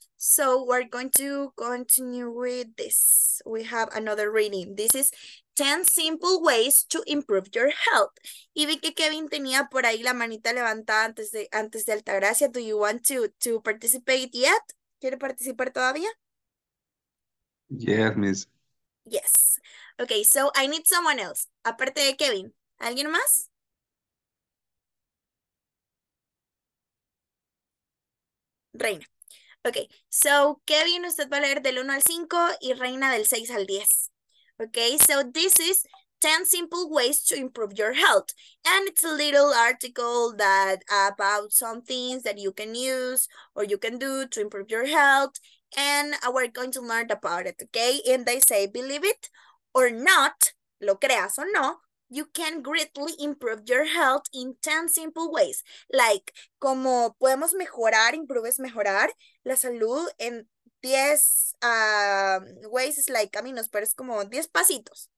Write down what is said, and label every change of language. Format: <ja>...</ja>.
<en>So we're going to continue with this. We have another reading. This is 10 simple ways to improve your health.</en> <es>Y vi que Kevin tenía por ahí la manita levantada antes de Altagracia.</es> <en>Do you want to participate yet?</en> <es>¿Quiere participar todavía?</es> <en>Yes, miss. Yes. Okay, so I need someone else.</en> <es>Aparte de Kevin, ¿alguien más? Reina.</es> <en>Ok, so</en> <es>Kevin, usted va a leer del 1 al 5 y Reina del 6 al 10.</es> <en>Ok, so this is 10 simple ways to improve your health. And it's a little article that about some things that you can use or you can do to improve your health. And we're going to learn about it, okay? And they say, believe it or not,</en> <es>lo creas o no,</es> <en>you can greatly improve your health in 10 simple ways.</en> <es>Like, como podemos mejorar, improve es mejorar la salud en 10 ways, es like caminos, pero es como 10 pasitos.</es>